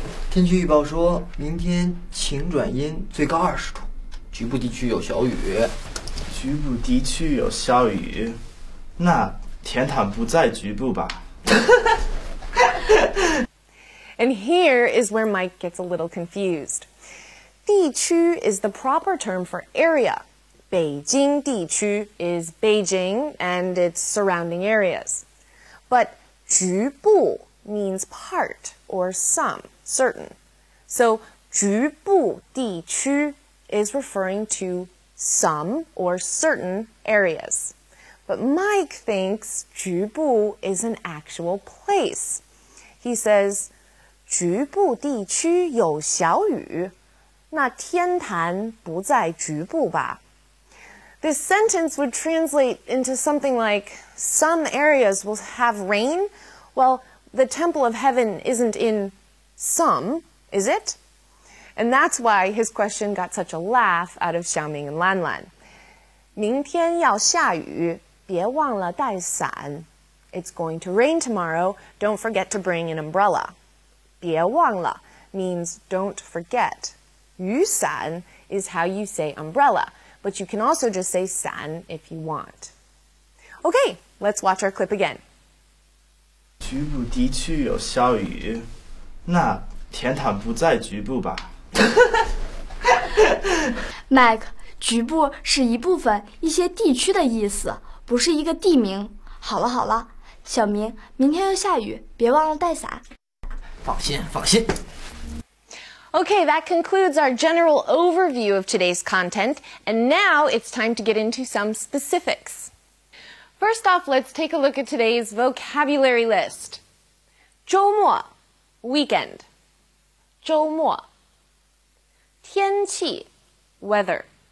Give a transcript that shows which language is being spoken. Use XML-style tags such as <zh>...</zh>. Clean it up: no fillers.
<zh>天气预报说明天晴转阴，最高二十度，局部地区有小雨。局部地区有小雨，那田坦不在局部吧？</zh> <en>And here is where Mike gets a little confused. 地区 is the proper term for area. 北京地区 is Beijing and its surrounding areas. But 局部 means part or some, certain. So 局部地区 is referring to some or certain areas. But Mike thinks 局部 is an actual place. He says...</en> <zh>局部地区有小雨，那天坛不在局部吧。</zh> <en>This sentence would translate into something like, some areas will have rain. Well, the temple of heaven isn't in some, is it? And that's why his question got such a laugh out of Xiaoming and Lan Lan.</en> <zh>明天要下雨，别忘了带伞。</zh> <en>It's going to rain tomorrow, don't forget to bring an umbrella. 别忘了 means don't forget. 雨伞 is how you say umbrella, but you can also just say 伞 if you want. Okay, let's watch our clip again.</en> <zh>局部地区有小雨，那天坛不在局部吧？ Mike, 局部是一部分一些地区的意思，不是一个地名。好了好了，小明，明天要下雨，别忘了带伞。放心，放心。</zh> <en>Okay, that concludes our general overview of today's content, and now it's time to get into some specifics. First off, let's take a look at today's vocabulary list. 周末 weekend. 周末天气 weather.</en>